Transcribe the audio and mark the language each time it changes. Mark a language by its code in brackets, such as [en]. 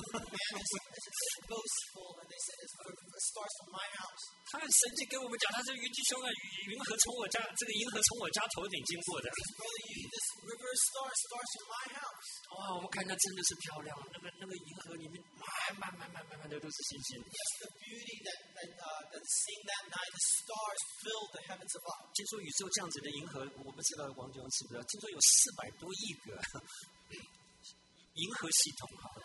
[zh] 他很神奇，跟我们讲，他是云气兄啊，云河从我家，这个银河从我家头顶经过的。哇，我们看它真的是漂亮，那个银河里面满的都是星星。 [en] Yes, the beauty that seen that night, the stars filled the heavens above. [zh] 听说宇宙这样子的银河，我不知道王总知不知道？听说有400多亿个银河系统哈。